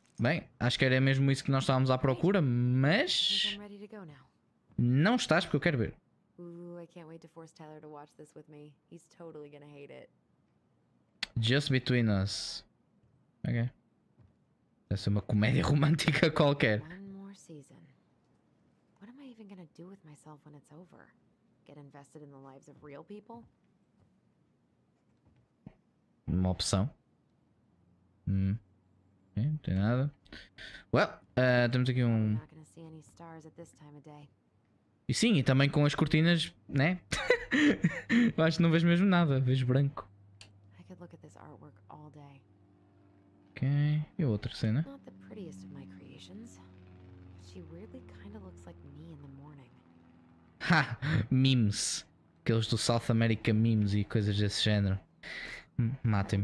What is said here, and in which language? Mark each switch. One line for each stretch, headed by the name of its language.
Portuguese: Bem, acho que era mesmo isso que nós estávamos à procura, mas... não estás, porque eu quero ver.
English: I can't wait to force Tyler to watch this with me. He's totally gonna hate it.
Portuguese: Just Between Us. Ok. Deve ser uma comédia romântica qualquer.
English: One more season. What am I even gonna do with myself when it's over? Get invested in the lives of real people?
Portuguese: Uma opção. Não tem nada. Well, temos aqui um...
English: I'm not gonna see any stars at this time of day.
Portuguese: E sim, e também com as cortinas, né? Eu acho que não vejo mesmo nada, vejo branco.
English: I could look at this artwork all day.
Portuguese: Ok, e outra cena?
English: Not the prettiest of my creations. She weirdly kinda looks like me in the morning.
Portuguese: Ha! Memes. Aqueles do South America memes e coisas desse género. Mate-me.